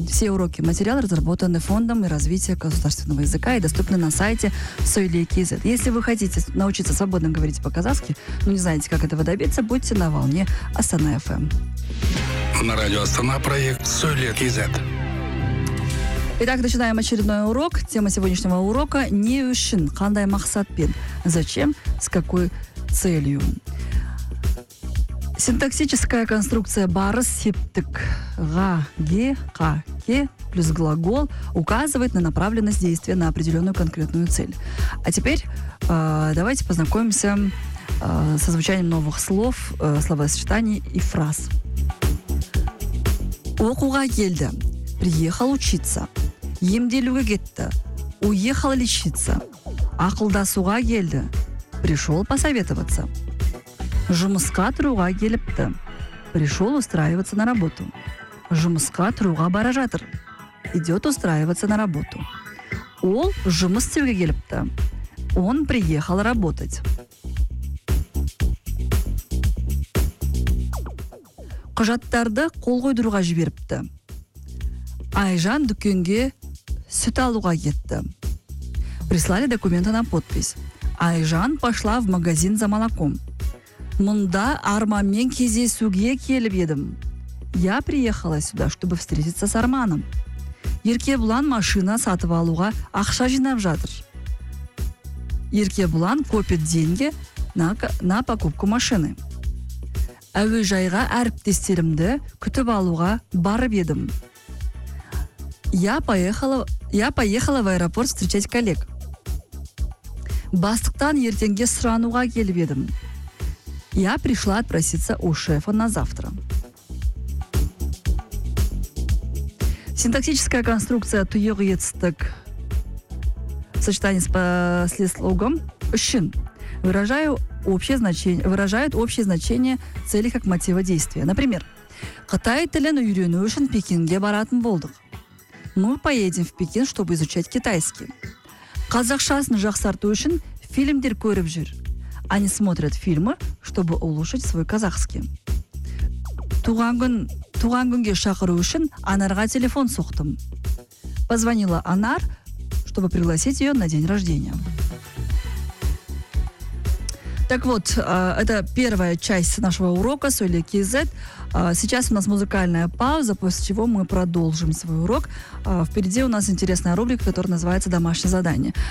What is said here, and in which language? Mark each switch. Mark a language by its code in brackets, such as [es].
[ru] Все уроки и материалы разработаны Фондом развития государственного языка и доступны на сайте «Сөйле KZ». Если вы хотите научиться свободно говорить по-казахски, но не знаете, как этого добиться, будьте на волне Астана FM. На радио Астана проект «Сөйле KZ». Итак, начинаем очередной урок. Тема сегодняшнего урока [kk] – «Не үшін, қандай мақсат пен?» [ru] «Зачем? С какой целью?» Синтаксическая конструкция «барыс» – «септік» – «га», «ге», «ка», «ке» плюс глагол указывает на направленность действия на определенную конкретную цель. А теперь давайте познакомимся со звучанием новых слов, словосочетаний и фраз. [kk] «Оқуға келді» – [ru] «приехал учиться». [kk] «Емделуге кетті» – [ru] «уехал лечиться». [kk] «Ақылдасуға келді» – [ru] «пришел посоветоваться». [kk] «Жұмысқа тұруға келіпті» – [ru] «пришел устраиваться на работу». [kk] «Жұмысқа тұруға бара жатыр» – [ru] «идет устраиваться на работу». [kk] «Ол жұмыс істеуге келіпті» – [ru] «он приехал работать». [kk] «Құжаттарды қол қойдыруға жіберіпті» – «Айжан дүкенге сүт алуға кетті». [ru] Прислали документы на подпись. Айжан пошла в магазин за молоком. [kk] Мұнда Арманмен кездесуге келіп едім. [ru] Я приехала сюда, чтобы встретиться с Арманом. [kk] Еркебұлан машина сатып алуға ақша жинап жатыр. [ru] Еркебұлан копит деньги на покупку машины. [kk] Әуежайға әріптестерімді күтіп алуға барып едім. [ru] Я поехала в аэропорт встречать коллег. [kk] Бастықтан ертенге сұрануға келіп едім. [ru] Я пришла отпроситься у шефа на завтра. Синтаксическая конструкция «туйоғы етістік» в сочетании с послеслогом «шин» выражает общее значение цели как мотива действия. [kk] Например, «Қытай тілін үйрену үшін Пекинге баратын болдық». [ru] Мы поедем в Пекин, чтобы изучать китайский. [kk] Казахшасын жақсарту үшін фильмдер көріп жүр. [ru] Они смотрят фильмы, чтобы улучшить свой казахский. [kk] Туған күнге шақыру үшін анарға телефон соқтым. [ru] Позвонила Анар, чтобы пригласить ее на день рождения. Так вот, это первая часть нашего урока «Сөйле KZ». Сейчас у нас музыкальная пауза, после чего мы продолжим свой урок. Впереди у нас интересная рубрика, которая называется «Домашнее задание».